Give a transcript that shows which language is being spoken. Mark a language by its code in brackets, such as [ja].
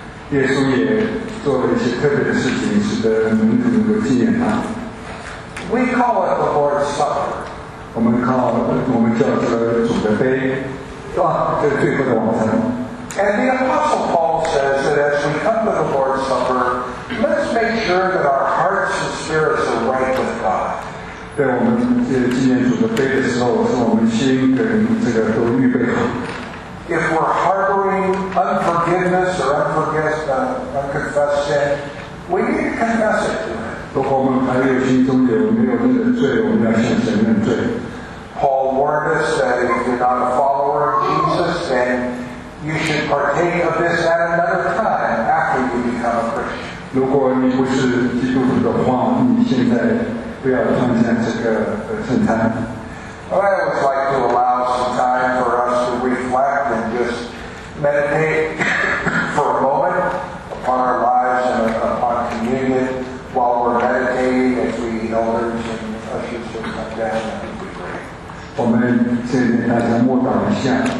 [zh] 耶稣也做了一些特别的事情，使得门徒能够纪念他。 [en] We call it the Lord's Supper. [zh] 我们叫这个主的杯，啊，这是最后的晚餐。 [en] And the Apostle Paul says that as we come to the Lord's Supper, let's make sure that our hearts and spirits are right with God. [zh] 在我们纪念主的杯的时候，是我们心跟这个都预备好。 [en] If we're harboring unforgiveness or unconfessed sin, we need to confess it. [zh] 如果我们还有心中有没有认罪，我们要向神认罪。 [en] Paul warned us that if you're not a follower of Jesus, then you should partake of this at another time after you become a Christian. [zh] 如果你不是基督徒的话，你现在。不要创建这个圣餐。 [en] Well, I would like to allow some time for us to reflect and just meditate for a moment upon our lives and upon communion while we're meditating as we eat elders and ushers to come down. [zh] 我们现在大家默祷一下。